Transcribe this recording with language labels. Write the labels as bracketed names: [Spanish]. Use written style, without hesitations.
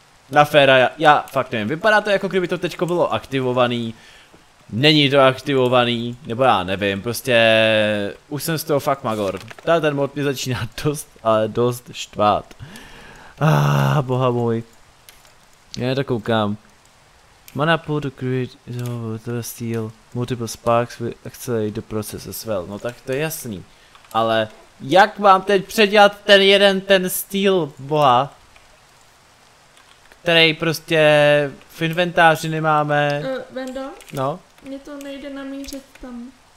[Czech] Na féra, já fakt nevím. Vypadá to jako kdyby to teďko bylo aktivovaný. Není to aktivovaný. Nebo já nevím, prostě... Už jsem z toho fakt magor. Ten mod mě začíná dost, ale dost štvát. Ah, boha můj. Já to koukám. [English] Mana pool to create is over the steel. Multiple sparks will accelerate the process as well. [Czech] No tak to je jasný. Ale jak mám teď předělat ten jeden ten steel, boha? Který prostě v inventáři nemáme. Vendo? No? Mně to nejde namířit tam.